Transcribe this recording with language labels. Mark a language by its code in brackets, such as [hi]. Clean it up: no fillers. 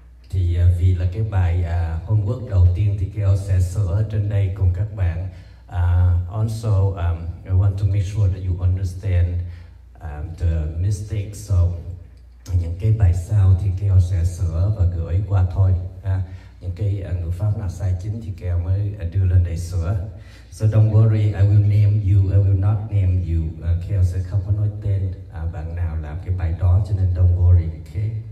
[vi] Thì vì là cái bài homework đầu tiên thì Kheo sẽ sửa trên đây cùng các bạn. [en] Also, I want to make sure that you understand the mistakes. [vi] So, những cái bài sau thì Kheo sẽ sửa và gửi qua thôi. Những cái ngữ pháp nào sai chính thì Kheo mới đưa lên để sửa. [en] So don't worry, I will not name you. [vi] Kheo sẽ không có nói tên bạn nào làm cái bài đó, cho nên [en] don't worry, okay?